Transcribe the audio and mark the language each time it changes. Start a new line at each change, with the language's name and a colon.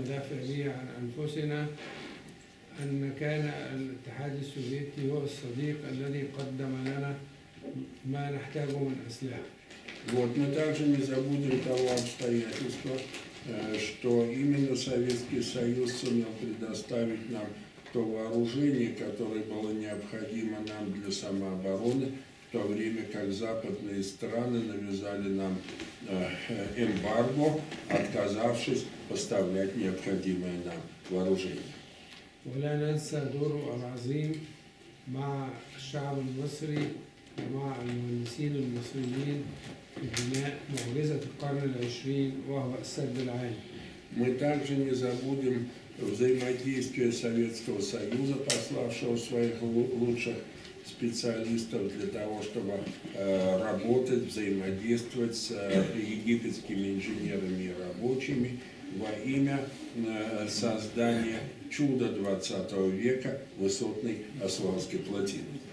Arabic: أن كان الاتحاد السوفيتي هو الصديق الذي قدم لنا ما نحتاجه من أسلحة.
Russian: Вот мы также не забудем того обстоятельства, что именно Советский Союз сумел предоставить нам то вооружение, которое было необходимо нам для самообороны, в то время как западные страны навязали нам эмбарго, отказавшись поставлять необходимое нам вооружение.
Arabic: ولا ننسى دوره العظيم مع الشعب المصري ومع المهندسين المصريين في بناء معجزة القرن العشرين وهو السد العالي.
Russian: Мы также не забудем взаимодействие Советского Союза, пославшего своих лучших специалистов для того, чтобы работать, взаимодействовать с египетскими инженерами и рабочими во имя создания чуда 20 века высотной Асуанской плотины.